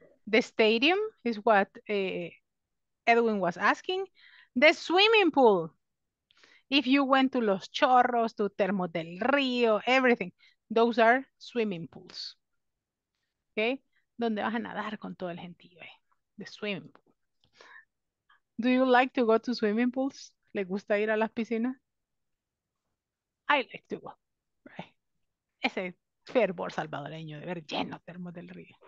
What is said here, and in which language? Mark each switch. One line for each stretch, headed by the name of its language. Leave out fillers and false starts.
English: The stadium is what Edwin was asking. The swimming pool. If you went to Los Chorros, to Termo del Río, everything. Those are swimming pools. Okay.
Spanish: Donde vas a nadar con todo el gentío.
English: The swimming pool. Do you like to go to swimming pools?
Spanish: ¿Le gusta ir a las piscinas?
English: I like to go. Right.
Spanish: Ese fervor salvadoreño de ver lleno Termo del Río.